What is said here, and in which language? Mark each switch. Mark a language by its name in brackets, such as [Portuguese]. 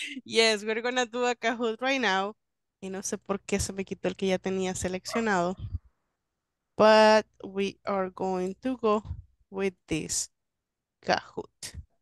[English] Yes, we're gonna do a Kahoot right now. [Spanish] Y no sé por qué se me quitó el que ya tenía seleccionado. [English] But we are going to go with this Kahoot.